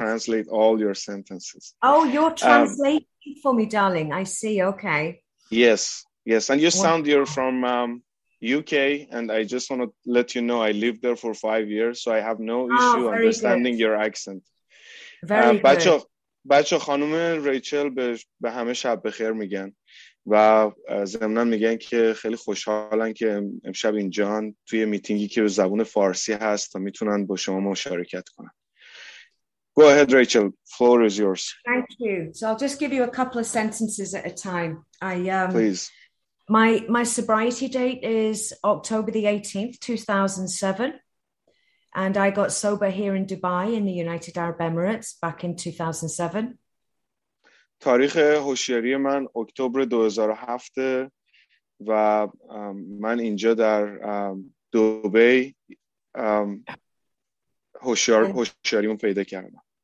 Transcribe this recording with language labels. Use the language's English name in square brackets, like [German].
[English] translate all your sentences. Oh, you're translating for me, darling. I see. Okay. Yes. And you Wow. sound you're from UK, and I just want to let you know I lived there for 5 years, so I have no Oh, issue very good. understanding your accent. Very good. [Persian] بچه خانم ریچل به همه شب بخیر میگن و ضمناً میگن که خیلی خوشحالن که امشب اینجان توی میتینگی که به زبون فارسی هست و میتونن با شما مشارکت کنن. [English] Go ahead, Rachel. Floor is yours. Thank you. So I'll just give you a couple of sentences at a time. Please. My sobriety date is October the 18th, 2007. And I got sober here in Dubai in the United Arab Emirates back in 2007. [Persian] تاریخ هوشیاری من اکتبر 2007 و من اینجا در دبی هوشیاریمون پیدا کردم.